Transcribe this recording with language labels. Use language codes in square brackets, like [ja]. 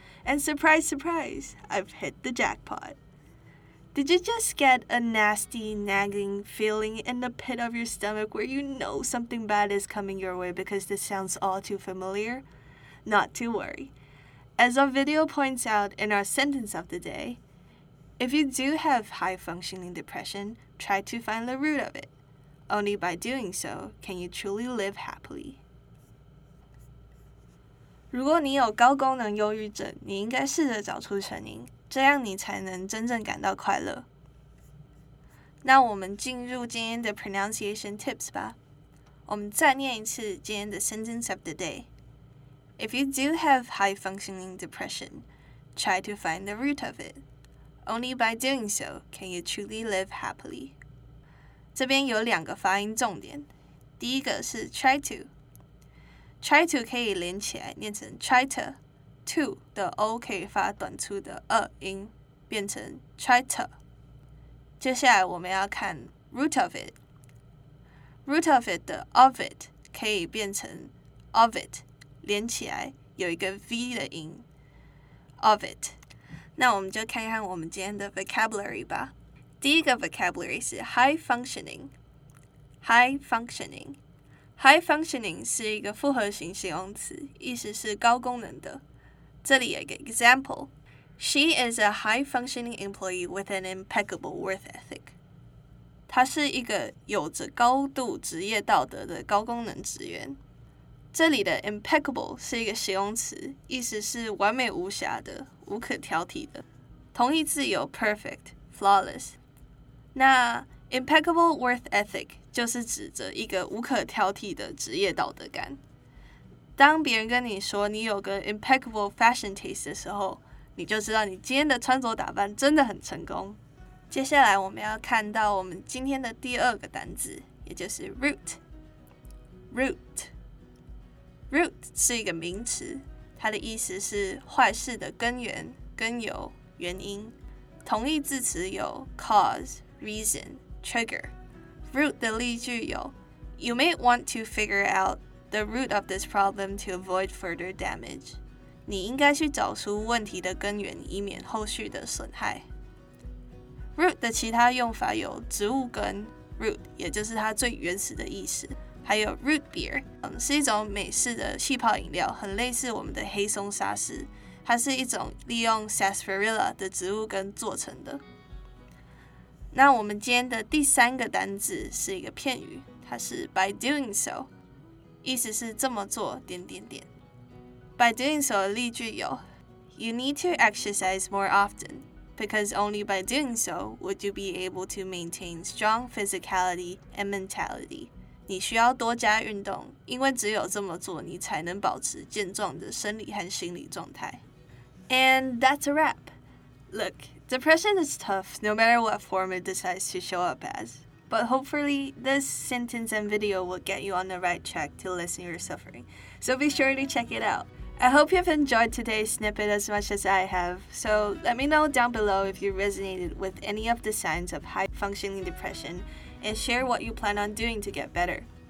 [en] And surprise, surprise, I've hit the jackpot. Did you just get a nasty, nagging feeling in the pit of your stomach where you know something bad is coming your way because this sounds all too familiar? Not to worry. As our video points out in our sentence of the day, if you do have high-functioning depression, try to find the root of it. Only by doing so can you truly live happily. [zh] 如果你有高功能忧郁症，你应该试着找出成因，这样你才能真正感到快乐。那我们进入今天的 pronunciation tips 吧。我们再念一次今天的 sentence of the day. [en] If you do have high functioning depression, try to find the root of it. Only by doing so can you truly live happily. [zh] 这边有两个发音重点，第一个是 try to， try to 可以连起来念成 try to， to 的 o 可以发短促的 a 音，变成 try to。接下来我们要看 root of it， root of it 的 of it 可以变成 of it， 连起来有一个 v 的音 of it。那我们就看看我们今天的 vocabulary 吧。第一个 vocabulary 是 high functioning， high functioning， high functioning 是一个复合型形容词，意思是高功能的。这里有一个 example， she is a high functioning employee with an impeccable work ethic，她是一个有着高度职业道德的高功能职员。这里的 impeccable 是一个形容词，意思是完美无瑕的，无可挑剔的。同义字有 perfect， flawless。那 impeccable work ethic 就是指着一个无可挑剔的职业道德感。当别人跟你说你有个 impeccable fashion taste 的时候，你就知道你今天的穿着打扮真的很成功。接下来我们要看到我们今天的第二个单字，也就是 root。 root， root 是一个名词，它的意思是坏事的根源、根由、原因。同义字词有 cause、reason, trigger. [en] Root 的例句有 You may want to figure out the root of this problem to avoid further damage. [zh] 你应该去找出问题的根源，以免后续的损害。 Root 的其他用法有植物根 root， 也就是它最原始的意思，还有 root beer， 是一种美式的气泡饮料，很类似我们的黑松沙士，它是一种利用 sarsaparilla 的植物根做成的。那我们今天的第三个单字是一个片语，它是 by doing so， 意思是这么做点点点。 [en] by doing so 的例句有 You need to exercise more often because only by doing so would you be able to maintain strong physicality and mentality。 [zh] 你需要多加运动，因为只有这么做你才能保持健壮的生理和心理状态。 [en] And that's a wrap. LookDepression is tough, no matter what form it decides to show up as. But hopefully, this sentence and video will get you on the right track to lessen your suffering. So be sure to check it out. I hope you've enjoyed today's snippet as much as I have. So let me know down below if you resonated with any of the signs of high-functioning depression and share what you plan on doing to get better.